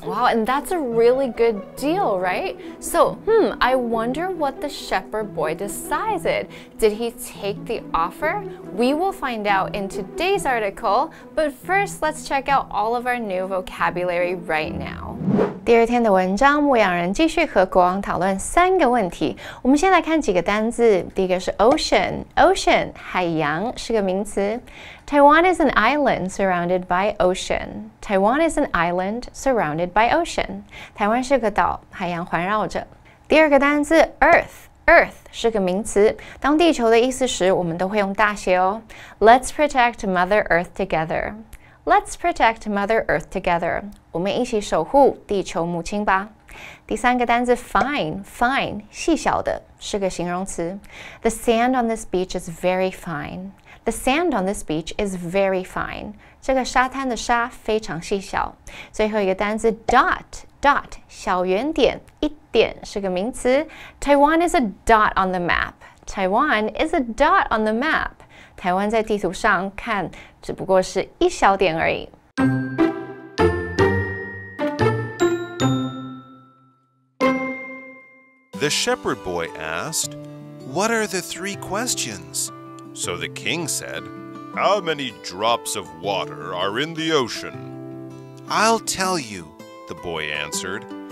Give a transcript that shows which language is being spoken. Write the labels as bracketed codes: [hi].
[en] Wow, and that's a really good deal, right? So, I wonder what the shepherd boy decided. Did he take the offer? We will find out in today's article, but first, let's check out all of our new vocabulary right now. [zh] 第二天的文章，牧羊人继续和国王讨论三个问题。我们先来看几个单字。第一个是 ocean， 海洋是个名词。 [en] Taiwan is an island surrounded by ocean. Taiwan is an island surrounded by ocean. [zh] 台湾是个岛，海洋环绕着。第二个单字 earth 是个名词。当地球的意思时，我们都会用大写哦。 [en] Let's protect Mother Earth together. Let's protect Mother Earth together. [zh] 我们一起守护地球母亲吧。第三个单字 fine, 细小的，是个形容词。 [en] The sand on this beach is very fine. The sand on this beach is very fine. [zh] 这个沙滩的沙非常细小。最后一个单字 dot, 小圆点，一点，是个名词。 [en] Taiwan is a dot on the map. Taiwan is a dot on the map. [zh] 台湾在地图上看只不过是一小点而已。 [en] The shepherd boy asked, What are the three questions? So the king said, How many drops of water are in the ocean? I'll tell you, the boy answered.